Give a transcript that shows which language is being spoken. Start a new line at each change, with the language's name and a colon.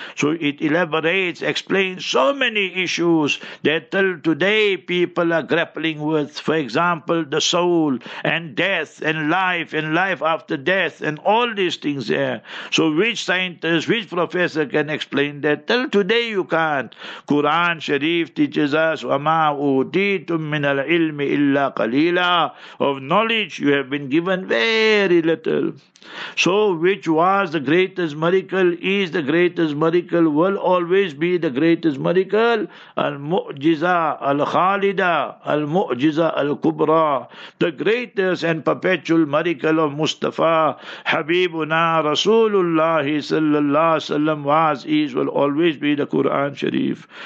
English: So it elaborates, explains so many issues that till today people are grappling with. For example, the soul and death and life after death and all these things there. So which scientist, which professor can explain that? Till today you can't. Quran Sharif teaches us,
Arabic: وَمَا أُوتِيتُم مِّنَ الْعِلْمِ إِلَّا قَلِيلًا.
English: Of knowledge you have been given very little. So which was the greatest miracle, is the greatest miracle, will always be the greatest miracle?
Arabic: Al-Mu'jiza Al-Khalida, Al-Mu'jiza Al-Kubra,
English: the greatest and perpetual miracle of Mustafa, Habibuna, Rasulullah sallallahu alaihi wasallam was, is, will always be the Quran Sharif.